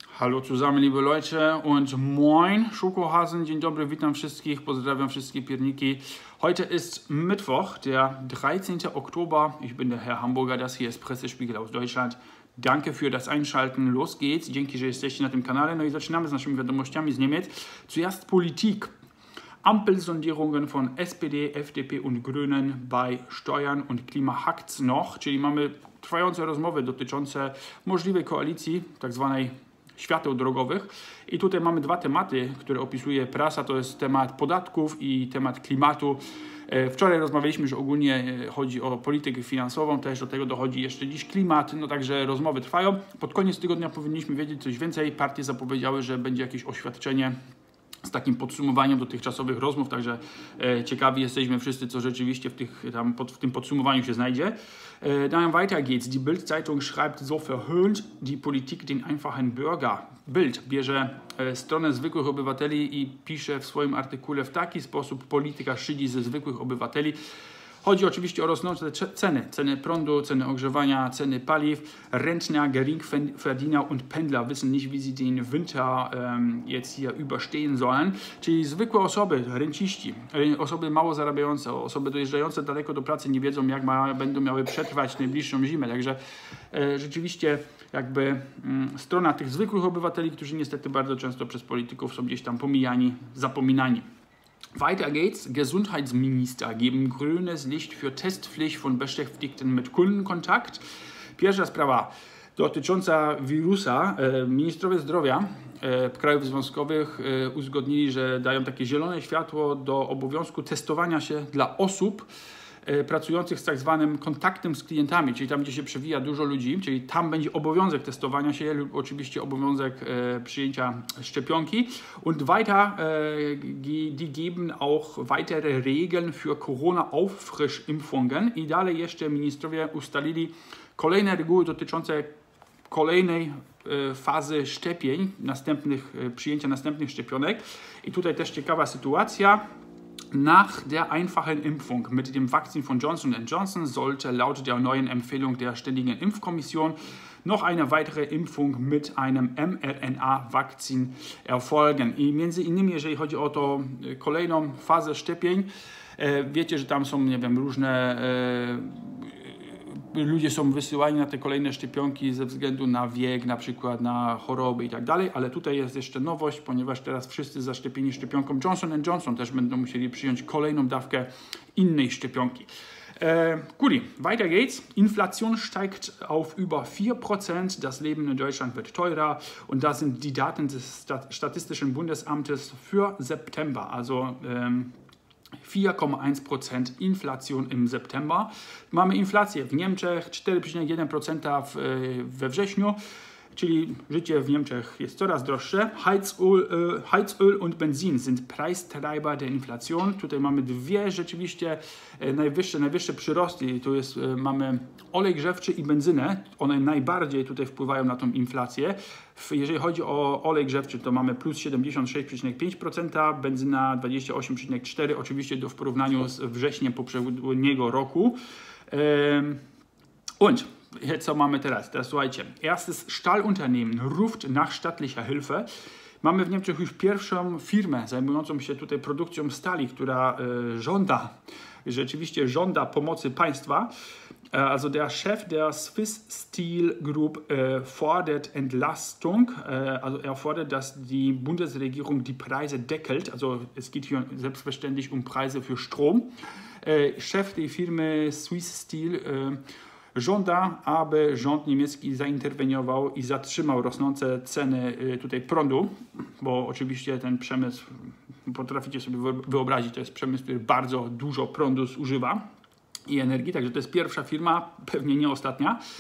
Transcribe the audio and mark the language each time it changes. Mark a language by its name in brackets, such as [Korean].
[German] Hallo zusammen, liebe Leute, und moin, Schokohasen, [Polish] dzień dobry, witam wszystkich, pozdrawiam wszystkie pierniki. [German] Heute ist Mittwoch, der 13. Oktober. Ich bin der Herr Hamburger, das hier ist Pressespiegel aus Deutschland. Danke für das Einschalten, los geht's. [Polish] Dzięki, że jesteście na tym kanale. No i zaczynamy z naszymi wiadomościami z Niemiec. [German] Zuerst Politik. Ampelsondierungen von SPD, FDP und Grünen bei Steuern und Klima hakt's noch. [Polish] Czyli mamy trwające rozmowy dotyczące możliwej koalicji, tak zwanej świateł drogowych. I tutaj mamy dwa tematy, które opisuje prasa. To jest temat podatków i temat klimatu. Wczoraj rozmawialiśmy, że ogólnie chodzi o politykę finansową. Też do tego dochodzi jeszcze dziś klimat. No także rozmowy trwają. Pod koniec tygodnia powinniśmy wiedzieć coś więcej. Partie zapowiedziały, że będzie jakieś oświadczenie z takim podsumowaniem dotychczasowych rozmów, także ciekawi jesteśmy wszyscy, co rzeczywiście w tym podsumowaniu się znajdzie. [German] Dann weiter geht's. Die Bild-Zeitung schreibt so verhöhnt die Politik den einfachen Bürger. [Polish] Bild bierze stronę zwykłych obywateli i pisze w swoim artykule w taki sposób: polityka szydzi ze zwykłych obywateli. Chodzi oczywiście o rosnące ceny. Ceny prądu, ceny ogrzewania, ceny paliw. [German] Rentner, Geringverdiener und Pendler wissen nicht, wie sie den Winter jetzt hier überstehen sollen. [Polish] Czyli zwykłe osoby, renciści, osoby mało zarabiające, osoby dojeżdżające daleko do pracy nie wiedzą, jak będą miały przetrwać najbliższą zimę. Także rzeczywiście jakby strona tych zwykłych obywateli, którzy niestety bardzo często przez polityków są gdzieś tam pomijani, zapominani. [German] Weiter geht's. Gesundheitsminister geben grünes Licht für Testpflicht von Beschäftigten mit Kundenkontakt. [Polish] Pierwsza sprawa dotycząca wirusa. Ministrowie zdrowia krajów związkowych uzgodnili, że dają takie zielone światło do obowiązku testowania się dla osób pracujących z tak zwanym kontaktem z klientami, czyli tam, gdzie się przewija dużo ludzi, czyli tam będzie obowiązek testowania się lub oczywiście obowiązek przyjęcia szczepionki. [German] Und weiter, die geben auch weitere Regeln für Corona-Auffrischimpfungen. [Polish] I dalej jeszcze ministrowie ustalili kolejne reguły dotyczące kolejnej fazy szczepień, przyjęcia następnych szczepionek. I tutaj też ciekawa sytuacja. [German] Nach der einfachen Impfung mit dem Vakzin von Johnson & Johnson sollte laut der neuen Empfehlung der Ständigen Impfkommission noch eine weitere Impfung mit einem mRNA-Vakzin erfolgen. [Polish] I między innymi, jeżeli chodzi o to kolejną fazę szczepień, wiecie, że tam są, nie wiem, różne ludzie są wysyłani na te kolejne szczepionki ze względu na wiek, na przykład na choroby i tak dalej, ale tutaj jest jeszcze nowość, ponieważ teraz wszyscy zaszczepieni szczepionką Johnson & Johnson też będą musieli przyjąć kolejną dawkę innej szczepionki. [German] Guti, weiter geht's. Inflation steigt auf über 4%. Das Leben in Deutschland wird teurer. Und das sind die Daten des Statistischen Bundesamtes für September. Also 4,1% Inflation im September. [Polish] Mamy inflację w Niemczech, 4,1% we wrześniu, czyli życie w Niemczech jest coraz droższe. [German] Heizöl und Benzin sind Preistreiber der Inflation. [Polish] Tutaj mamy dwie rzeczywiście najwyższe przyrosty. Tu jest, mamy olej grzewczy i benzynę. One najbardziej tutaj wpływają na tą inflację. Jeżeli chodzi o olej grzewczy, to mamy plus 76,5%, benzyna 28,4%, oczywiście do w porównaniu z wrześniem poprzedniego roku. [German] Und [Polish] co mamy teraz? Teraz słuchajcie. [German] Erstes Stahlunternehmen ruft nach staatlicher Hilfe. [Polish] Mamy w Niemczech już pierwszą firmę zajmującą się tutaj produkcją stali, która rzeczywiście żąda pomocy państwa. [German] Also der Chef der Swiss Steel Group fordert Entlastung, also er fordert, dass die Bundesregierung die Preise deckelt. Also es geht hier selbstverständlich um Preise für Strom. Chef der Firma [Polish] Swiss Steel żąda, aby rząd niemiecki zainterweniował i zatrzymał rosnące ceny tutaj prądu, bo oczywiście ten przemysł, potraficie sobie wyobrazić, to jest przemysł, który bardzo dużo prądu zużywa i energii, także to jest pierwsza firma, pewnie nie ostatnia.